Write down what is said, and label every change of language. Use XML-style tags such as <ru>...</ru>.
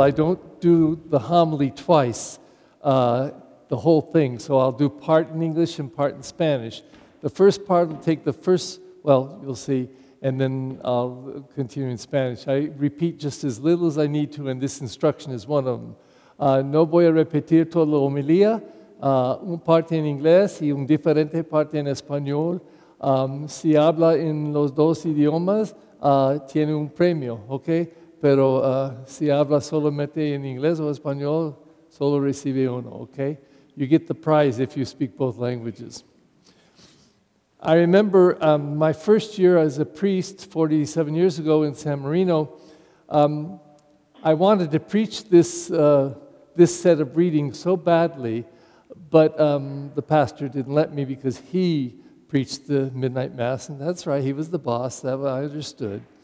<en>I don't do the homily twice, the whole thing. So I'll do part in English and part in Spanish. The first part will take the first, well, you'll see, and then I'll continue in Spanish. I repeat just as little as I need to, and this instruction is one of them.</en> <es>No voy a repetir toda la homilía, un parte en inglés y un diferente parte en español. Si habla en los dos idiomas, tiene un premio, okay? Pero si habla solamente en inglés o español, solo recibe uno, okay?</es> <en>You get the prize if you speak both languages. I remember my first year as a priest 47 years ago in San Marino. I wanted to preach this set of readings so badly, but the pastor didn't let me because he preached the midnight mass, and that's right, he was the boss, that I understood.</en>